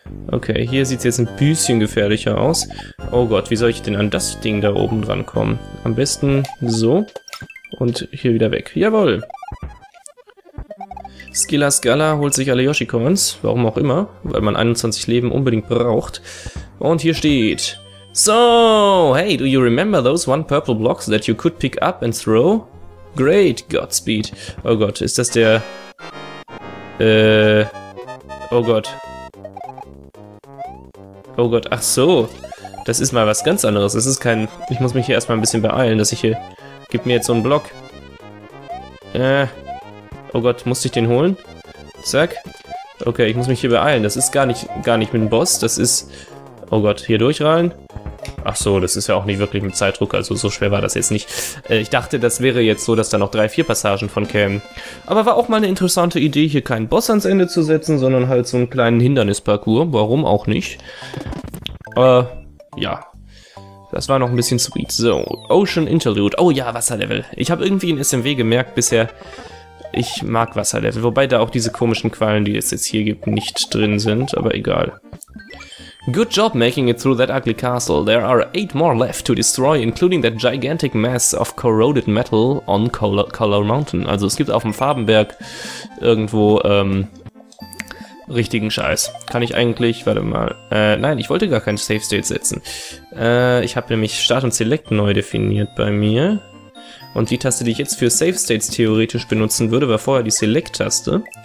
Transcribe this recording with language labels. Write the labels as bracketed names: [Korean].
[German] Okay, hier sieht es jetzt ein bisschen gefährlicher aus. Oh Gott, wie soll ich denn an das Ding da oben dran kommen? Am besten so und hier wieder weg. Jawohl! Skilla Skala holt sich alle Yoshi-Coins, warum auch immer, weil man 21 Leben unbedingt braucht. Und hier steht... [English] So, hey, do you remember those one purple blocks that you could pick up and throw? Great, Godspeed. [German] Oh Gott, ist das der... Oh Gott. Oh Gott, ach so. Das ist mal was ganz anderes. Das ist kein... Ich muss mich hier erstmal ein bisschen beeilen, dass ich hier... Gib mir jetzt so einen Block. Oh Gott, musste ich den holen? Zack. Okay, ich muss mich hier beeilen. Das ist gar nicht mit dem Boss. Das ist... Oh Gott, hier durchrallen. Ach so, das ist ja auch nicht wirklich mit Zeitdruck. Also so schwer war das jetzt nicht. Ich dachte, das wäre jetzt so, dass da noch 3-4 Passagen von kämen. Aber war auch mal eine interessante Idee, hier keinen Boss ans Ende zu setzen, sondern halt so einen kleinen Hindernisparcours. Warum auch nicht? Ja. Das war noch ein bisschen sweet. So, Ocean Interlude. Oh ja, Wasserlevel. Ich habe irgendwie in SMW gemerkt bisher, ich mag Wasserlevel. Wobei da auch diese komischen Quallen, die es jetzt hier gibt, nicht drin sind. Aber egal. [English] Good job making it through that ugly castle. There are 8 more left to destroy, including that gigantic mass of corroded metal on Color Mountain. [German] Also es gibt auf dem Farbenberg irgendwo richtigen Scheiß. Kann ich eigentlich, warte mal, nein, ich wollte gar kein Save State setzen. Ich habe nämlich Start und Select neu definiert bei mir. Und die Taste, die ich jetzt für Save States theoretisch benutzen würde, war vorher die Select-Taste.